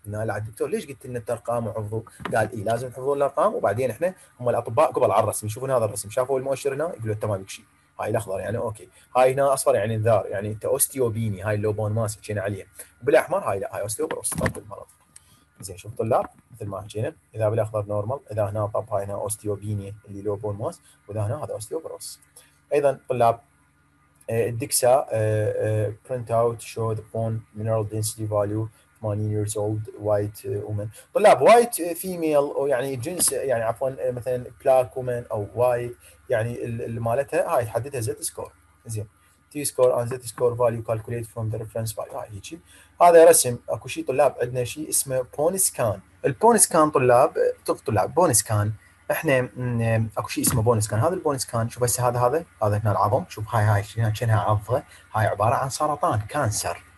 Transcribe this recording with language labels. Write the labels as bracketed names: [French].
[Arabic] قلنا له دكتور ليش قلت لنا الارقام وحفظوا؟ قال اي لازم تحفظون الارقام، وبعدين احنا هم الاطباء قبل على الرسم يشوفون هذا الرسم، شافوا المؤشر هنا يقولوا تمام كل شيء، هاي الاخضر يعني اوكي، هاي هنا اصفر يعني انذار يعني انت اوستيوبيني، هاي لو بون ماس حكينا عليه، وبالاحمر هاي لا هاي اوستيوبروس طب المرض. زين شوف طلاب مثل ما حكينا، اذا بالاخضر نورمال، اذا هنا طب هاي هنا اوستيوبيني اللي لو بون ماس، واذا هنا هذا اوستيوبروس. ايضا طلاب الدكسا [English] print out show the bone mineral density value 80 years old white woman، طلاب white female [Arabic] أو يعني جنس يعني عفوا مثلا [English] black woman أو white [Arabic] يعني اللي مالتها هاي تحددها [English] z score. زين t score and z score value calculate from the reference value. [Arabic] هاي هيجي هذا رسم، اكو شيء طلاب عندنا شيء اسمه bone scan. البون سكان طلاب طب طلاب بون سكان احنا اكو شيء اسمه بونس كان، هذا البونس كان شوف بس هذا هنا العظم، شوف هاي شنها عظه، هاي عباره عن سرطان كانسر.